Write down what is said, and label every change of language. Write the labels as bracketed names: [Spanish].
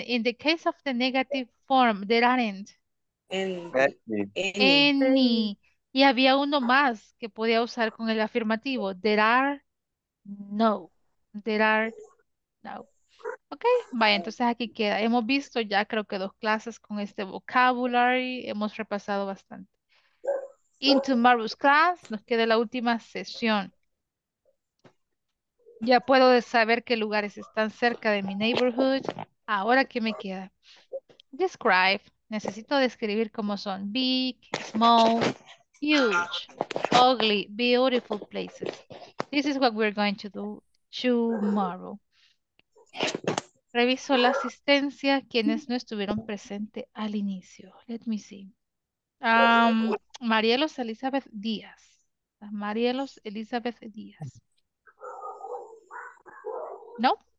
[English] In the case of the negative form, there aren't any. [Spanish] Y había uno más que podía usar con el afirmativo. [English] There are no. There are no. [Spanish] Ok, vaya, entonces aquí queda. Hemos visto ya creo que dos clases con este vocabulary. Hemos repasado bastante. [English] In tomorrow's class, [Spanish] nos queda la última sesión. Ya puedo saber qué lugares están cerca de mi neighborhood. Ahora, ¿qué me queda? Describe. Necesito describir cómo son. [English] Big, small, huge, ugly, beautiful places. This is what we're going to do tomorrow. [Spanish] Reviso la asistencia, quienes no estuvieron presentes al inicio. [English] Let me see. Marielos Elizabeth Díaz. Marielos Elizabeth Díaz. No?